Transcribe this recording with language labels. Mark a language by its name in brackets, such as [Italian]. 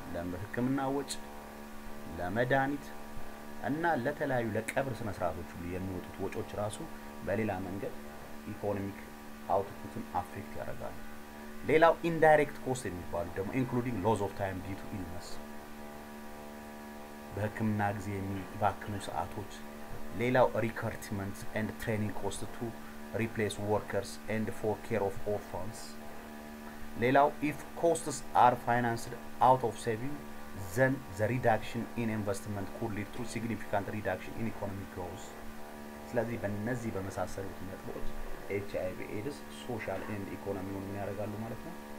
[Amharic] ለህክምና ወጪ፣ ለመድኃኒት እና ለተለያዩ ለቀብር ስነ ስርዓቶች ሁሉ የሚወጡት ወጪዎች ራሱ በሌላ መንገድ ኢኮኖሚክ አውትፑቱን አፌክት ያደርጋል። ሌላው [English] indirect cost [Amharic] የሚባለው ደግሞ [English] including loss of time due to illness [Amharic] በህክምና ጊዜ የሚባክኑ ሰዓቶች። ሌላው [English] recruitment and training cost to replace workers and for care of orphans. ሌላው if costs are financed out of saving then the reduction in investment could lead to significant reduction in economic growth. [Amharic] ስለዚህ በእነዚህ በመሳሰሉት ነጥቦች HIV AIDS [English] social and economy [Amharic] ምን ያረጋሉ ማለት ነው?